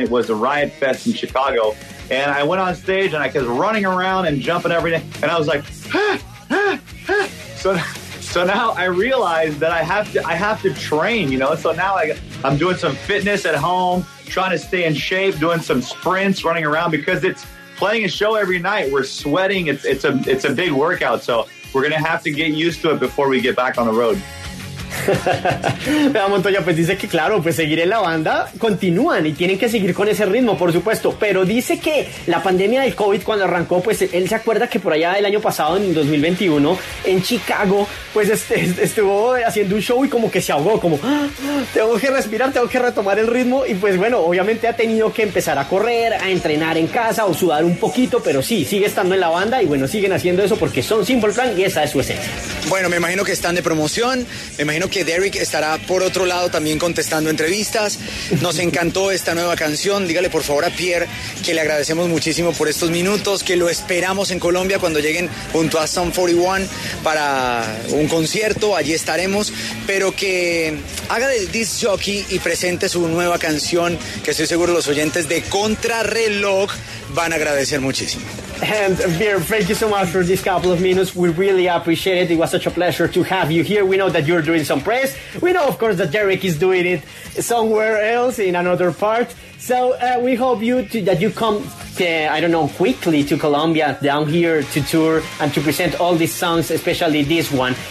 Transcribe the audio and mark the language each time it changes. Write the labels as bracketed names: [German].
[English] It was a Riot Fest in Chicago, and I went on stage and I was running around and jumping every day, and I was like, so now I realized that I have to train, you know. So now I'm doing some fitness at home, trying to stay in shape, doing some sprints, running around, because it's playing a show every night, we're sweating, it's a big workout, so we're going to have to get used to it before we get back on the road. [Spanish] Vea, Montoya, pues dice que claro, pues seguir en la banda, continúan y tienen que seguir con ese ritmo, por supuesto, pero dice que la pandemia del COVID cuando arrancó, pues él se acuerda que por allá el año pasado, en 2021, en Chicago, pues estuvo haciendo un show y como que se ahogó, como tengo que respirar, tengo que retomar el ritmo, y pues bueno, obviamente ha tenido que empezar a correr, a entrenar en casa o sudar un poquito, pero sí, sigue estando en la banda y bueno, siguen haciendo eso porque son Simple Plan y esa es su esencia. Bueno, me imagino que están de promoción, me imagino que Derek estará por otro lado también contestando entrevistas. Nos encantó esta nueva canción. Dígale por favor a Pierre que le agradecemos muchísimo por estos minutos, que lo esperamos en Colombia cuando lleguen junto a Sum 41 para un concierto, allí estaremos, pero que haga del disc jockey y presente su nueva canción, que estoy seguro los oyentes de Contrarreloj van a agradecer muchísimo. [English] And Pierre, thank you so much for this couple of minutes. We really appreciate it. It was such a pleasure to have you here. We know that you're doing some press. We know, of course, that Derek is doing it somewhere else in another part. So we hope that you come, quickly to Colombia down here to tour and to present all these songs, especially this one.